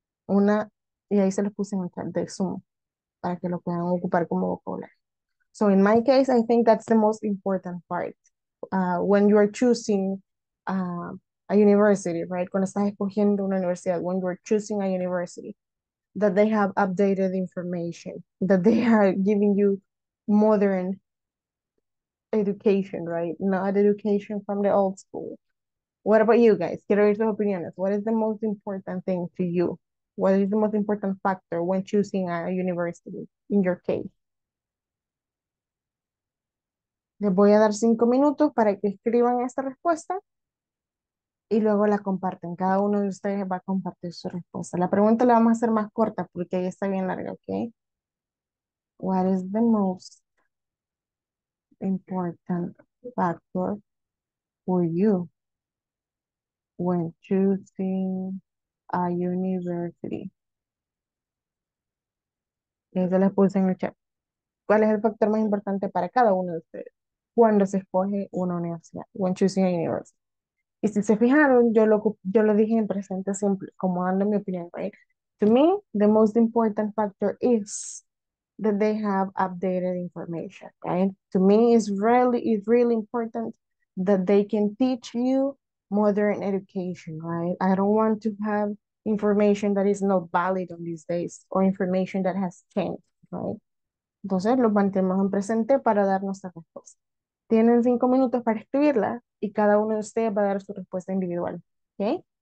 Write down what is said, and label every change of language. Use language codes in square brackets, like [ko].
[es] Una, y ahí se los puse en el chat de Zoom para que lo puedan ocupar como vocabulario. [en] So in my case, I think that's the most important part when you are choosing a university, right? [es] Cuando estás escogiendo una universidad, [en] when you are choosing a university, that they have updated information, that they are giving you modern education, right? Not education from the old school. What about you guys? [es] Quiero oír sus opiniones. [en] What is the most important thing to you? What is the most important factor when choosing a university in your case? [es] Les voy a dar 5 minutos para que escriban esta respuesta y luego la comparten. Cada uno de ustedes va a compartir su respuesta. La pregunta la vamos a hacer más corta porque ahí está bien larga, okay? [en] What is the most important factor for you when choosing a university? [es] Eso les puse en el chat. ¿Cuál es el factor más importante para cada uno de ustedes cuando se escoge una universidad? [en] When choosing a university. [es] Y si se fijaron, yo lo dije en presente simple, como dando mi opinión, right? [en] To me, the most important factor is that they have updated information, right? To me, it's really important that they can teach you modern education, right? I don't want to have information that is not valid on these days or information that has changed, right? [es] Entonces, los mantenemos en presente para dar nuestra respuesta. Tienen 5 minutos para escribirla y cada uno de ustedes va a dar su respuesta individual, okay?